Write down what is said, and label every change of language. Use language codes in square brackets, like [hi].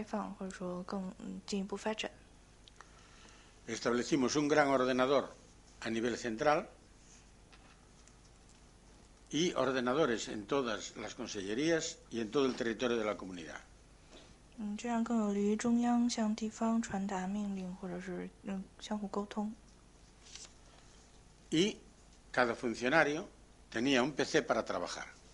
[zh] 我们知道这个只有进入这个信息化的世界，它这个政府才能够有可能更开放，或者说更进一步发展。 [es] Establecimos un gran ordenador a nivel central y ordenadores en todas las consellerías y en todo el territorio de la comunidad. [zh] 这样更有利于中央向地方传达命令，或者是相互沟通。 [es] Y cada funcionario tenía un PC para trabajar.